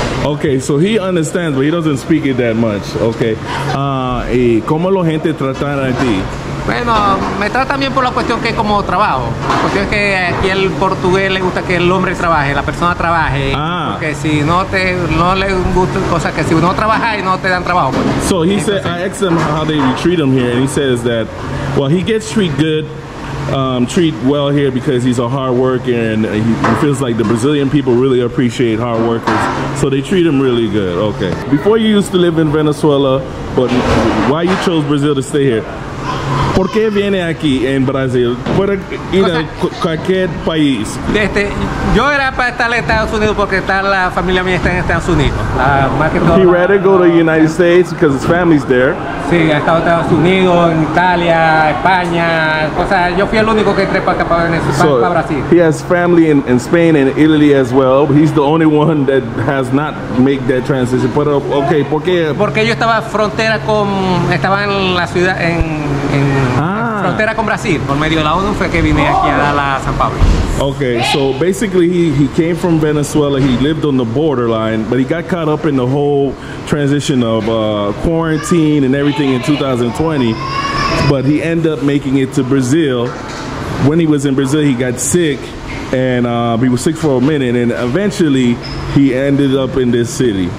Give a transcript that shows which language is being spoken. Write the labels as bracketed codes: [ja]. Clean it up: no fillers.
[en] Okay, so he understands, but he doesn't speak it that much. [es] Okay. ¿Y cómo la gente trata a ti? Bueno, me tratan bien por la cuestión que es como trabajo. La cuestión es que aquí el portugués le gusta que el hombre trabaje, la persona trabaje. Ah. Porque si no te, no le gusta, o sea, que si uno trabaja y no te dan trabajo. Pues. [en] So he said, I asked him how they treat him here, and he says that, well, he gets treated good. Treat well here because he's a hard worker, and he feels like the Brazilian people really appreciate hard workers, so they treat him really good. Okay. Before, you used to live in Venezuela, but why you chose Brazil to stay here? [es] ¿Por qué viene aquí en Brasil? ¿Puede ir a cualquier país? Yo era para estar en Estados Unidos porque está la familia mía está en Estados Unidos. [en] He'd rather go to the United States because his family's there. [es] Sí, ha estado en Estados Unidos, en Italia, España. O sea, yo fui el único que entré para acá, para Venezuela, so para Brasil. [en] He has family in Spain and Italy as well. He's the only one that has not made that transition. But okay, [es] ¿por qué? Porque yo estaba frontera con... Estaba en la ciudad, en frontera con Brasil, por medio de la ONU fue que vine aquí a la San Pablo. [en] Okay, so basically he came from Venezuela, he lived on the borderline, but he got caught up in the whole transition of quarantine and everything in 2020, but he ended up making it to Brazil. When he was in Brazil, he got sick, and he was sick for a minute, and eventually he ended up in this city.